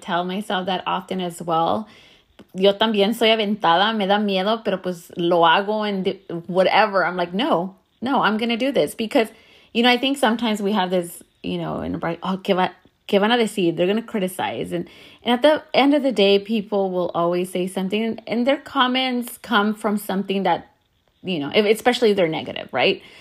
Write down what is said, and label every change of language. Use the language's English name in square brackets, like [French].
[English] I tell myself that often as well. [Spanish] Yo también soy aventada, me da miedo, pero pues lo hago [English] and whatever. I'm like, no, I'm going to do this. Because, you know, I think sometimes we have this, you know, and we're like, oh, [Spanish] ¿qué van a decir? [English] They're going to criticize. And at the end of the day, people will always say something. And their comments come from something that, you know, especially if they're negative, right?